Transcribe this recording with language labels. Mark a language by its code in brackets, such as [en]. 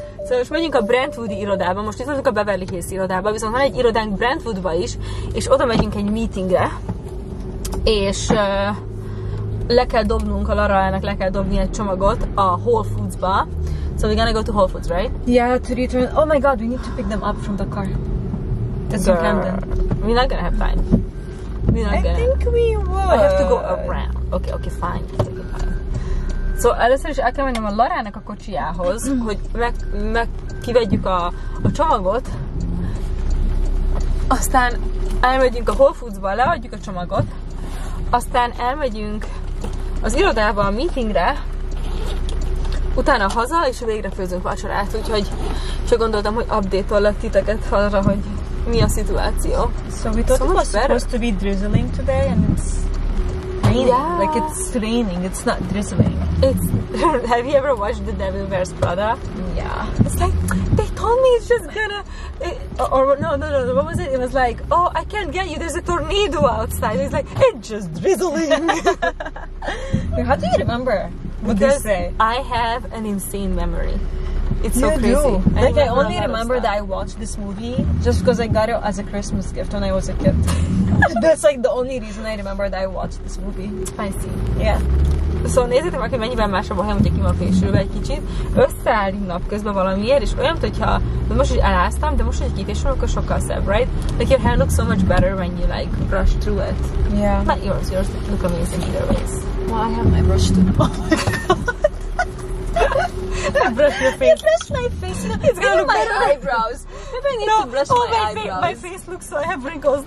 [hu] Szóval most megyünk a Brentwoodi irodába, most itt vagyunk a Beverly Hills irodába, viszont van egy irodánk Brentwoodba is, és oda megyünk egy meetingre, és le kell dobnunk a Lara-nak, le kell dobni egy csomagot a Whole Foods-ba. [en] So we're gonna go to Whole Foods, right? Yeah, to return. Oh my god, we need to pick them up from the car. That's in Camden. We're not gonna have time. I think we would. I have to go around. Okay, fine. [hu] So, először is el kell mennem a Larának a kocsijához, hogy kivegyük a csomagot, aztán elmegyünk a Whole Foods-ba, leadjuk a csomagot, aztán elmegyünk az irodába a meetingre, utána haza, és végre főzünk vacsorát, úgyhogy csak gondoltam, hogy update-ollak titeket arra, hogy mi a szituáció. [en] So we thought it was supposed to be drizzling today, and it's... Yeah. Like, it's raining, it's not drizzling. It's... Have you ever watched The Devil Wears Prada? Yeah. It's like, they told me it's just gonna... No, what was it? It was like, oh, I can't get you, there's a tornado outside. It's like, it's just drizzling. How do you remember what they say? I have an insane memory. It's you so crazy. Do. Like, I only remember that I watched this movie just because I got it as a Christmas gift when I was a kid. That's like the only reason I remember that I watched this movie. I see. Yeah. [hu] Szóval nézzétek meg, hogy mennyiben másabb a helyem, hogyha kim a fésülve egy kicsit. Összeállít napközben valamiért, és olyan, hogyha most is eláztam, de most, hogy kifésülve, akkor sokkal szebb, right? [en] Like, your hair looks so much better when you, like, brush through it. Yeah. Not yours. Yours look amazing either ways. Well, I have my brush too. Oh my god. Brush your face. You brush my face. It's gonna look better. My eyebrows. Maybe I need to brush my eyebrows. My face looks so I have wrinkles.